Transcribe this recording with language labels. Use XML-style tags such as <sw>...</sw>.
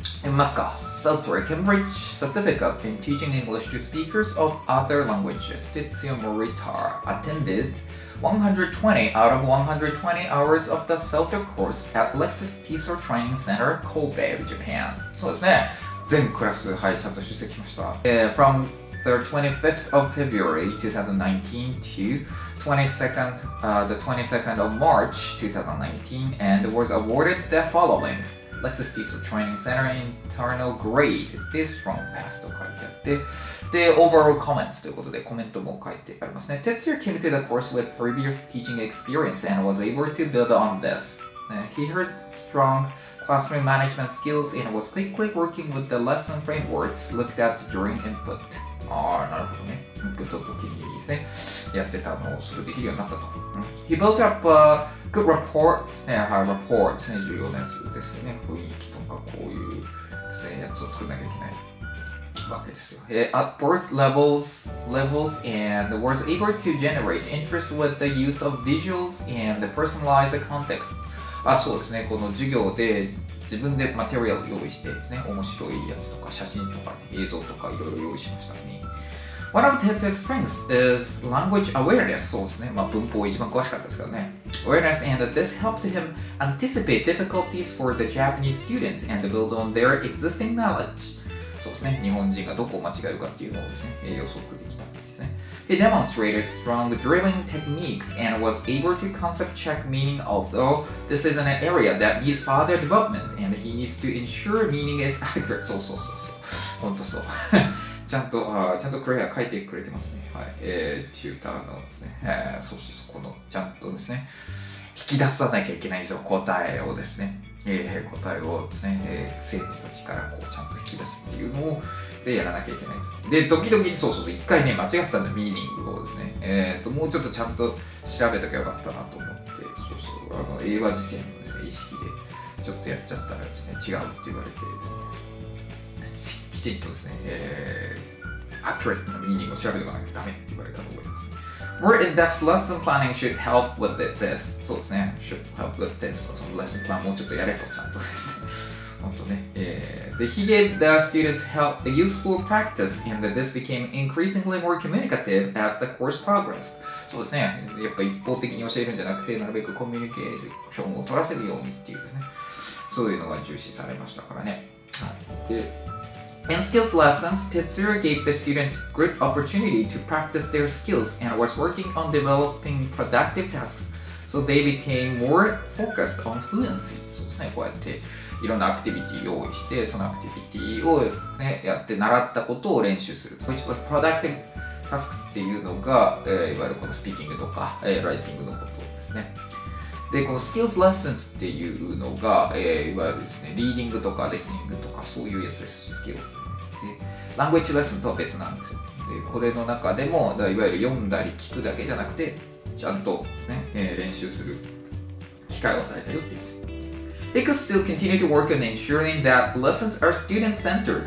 <ja>ますか。</ja> <en>Saltory Cambridge Certificate in Teaching English to Speakers of Other Languages. Tetsuya Morita attended 120 out of 120 hours of the Saltory course at Lexis Teacher Training Center, Kobe, Japan.</en> <ja>そうですね。全クラス、はい、ちゃんと出席しました。</ja> <en>From the 25th of February 2019 to the 22nd of March 2019 and was awarded the following. Lexis Teacher Training Center Internal Grade This Strong Pass</en> <ja>と書いてあって、で、Overall Comments ということで、コメントも書いてありますね。</ja> <en>Tetsuya came to the course with previous teaching experience and was able to build on this. He heard strong classroom management skills and was quickly working with the lesson frameworks looked at during input.</en> <ja>ああ、なるほどね。インプットの時にですね、やってたのをすぐできるようになったと。</ja> <en>He built up a good rapport</en> <ja>ですね。はい、rapport 2014年数ですね。雰囲気とかこういうですね、やつを作んなきゃいけないわけですよ。</ja> <en>At both levels and was able to generate interest with the use of visuals and personalized context.</en> <ja>あ、そうですね。この授業で自分でマテリアル用意してですね、面白いやつとか写真とか、ね、映像とかいろいろ用意しましたね。</ja> <en>One of Tetsuya's strengths is language awareness.</en> <ja>そうですね。まあ文法一番詳しかったですからね。</ja> <en>Awareness and this helped him anticipate difficulties for the Japanese students and build on their existing knowledge.</en> <ja>そうですね。日本人がどこを間違えるかっていうのをですね、予測できたんですね。</ja> <en>He demonstrated strong drilling techniques and was able to concept check meaning, although this is an area that needs further development and he needs to ensure meaning is accurate.</en> <ja>そうそうそうそう。ほんとそう。ちゃんとクレア書いてくれてますね。はい。チューターのですね。そうそうそう。このちゃんとですね。引き出さなきゃいけないんですよ。答えをですね。答えをですね。生徒たちからこうちゃんと引き出すっていうのをでやらなきゃいけない。で、時々、そうそう、一回ね、間違ったんだ、ミーニングをですね。もうちょっとちゃんと調べとけばよかったなと思って、そうそう。英和辞典のですね、意識で、ちょっとやっちゃったらですね、違うって言われてですね。きちんとですね、アクレットのミーニングを調べておかなきゃダメって言われたと思います。</ja> <en>More in-depth lesson planning should help with this.</en> <ja>そうですね、</ja> <en>should help with this.</en> <ja>そのレッスンプランもうちょっとやれとちゃんとです。本当ね。</ja> <en>He gave the students help the useful practice and this became increasingly more communicative as the course progressed.</en> <ja>そうですね、やっぱ一方的に教えるんじゃなくて、なるべくコミュニケーションを取らせるようにっていうですね。そういうのが重視されましたからね。はい。</ja> <en>で、In skills lessons, Tetsuya gave the students great opportunity to practice their skills and was working on developing productive tasks, so they became more focused on fluency.</en> <ja>そうですね、こうやっていろんなアクティビティ用意して、そのアクティビティを、ね、やって習ったことを練習する。</ja> <en>Which was productive tasks</en> <ja>っていうのが、いわゆるこのスピーキングとか、ライティングのことですね。で、この skills lessons っていうのが、いわゆるですね、リーディングとかリスニングとかそういうやつです、skills ですね。で、language lesson とは別なんですよ。で、これの中でも、だいわゆる読んだり聞くだけじゃなくて、ちゃんとですね、練習する機会を与えたよってやつ。</ja> <en>They could still continue to work on ensuring that lessons are student-centered.</en>